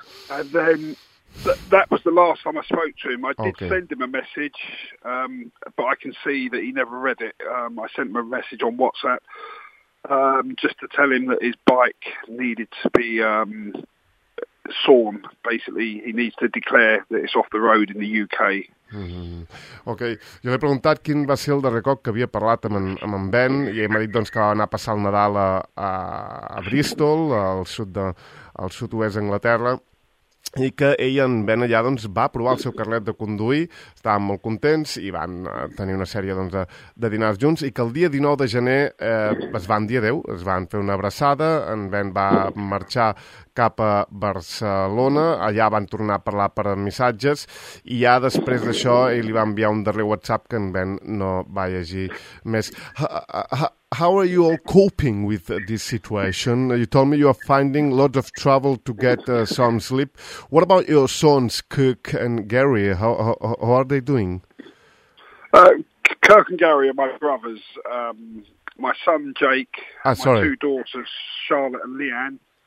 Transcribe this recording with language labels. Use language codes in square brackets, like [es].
[en] And then that was the last time I spoke to him. I did send him a message, but I can see that he never read it. I sent him a message on WhatsApp just to tell him that his bike needed to be sawn. Basically, he needs to declare that it's off the road in the UK. Okay. [ca] Jo l'he preguntat quin va ser el darrer cop que havia parlat amb en Ben i ell m'ha dit doncs, que va anar a passar el Nadal a Bristol, al sud-oest d'Anglaterra. I que ell, en Ben, allà doncs, va provar el seu carnet de conduir, estaven molt contents i van tenir una sèrie doncs, de dinars junts i que el dia 19 de gener es van dir adéu, es van fer una abraçada, en Ben va marxar cap a Barcelona, allà van tornar a parlar per missatges i ja després d'això ell li va enviar un darrer WhatsApp que en Ben no va llegir més. [en] How are you all coping with this situation? You told me you are finding lots of trouble to get some sleep. What about your sons, Kirk and Gary? How are they doing? Kirk and Gary are my brothers. My son, Jake, my two daughters, Charlotte and Leanne.